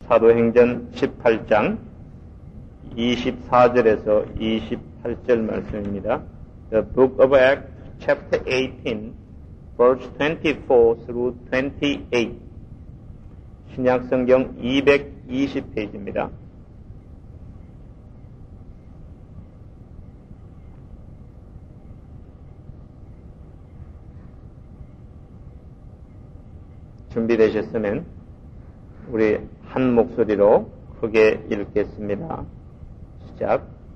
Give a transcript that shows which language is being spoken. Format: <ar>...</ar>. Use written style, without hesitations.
<ko>사도행전 18장 24절에서 28절 말씀입니다.</ko> <en>The Book of Acts, Chapter 18, Verse 24 through 28.</en> <ko>신약성경 220페이지입니다. 준비되셨으면 우리 한 목소리로 크게 읽겠습니다. 시작.</ko>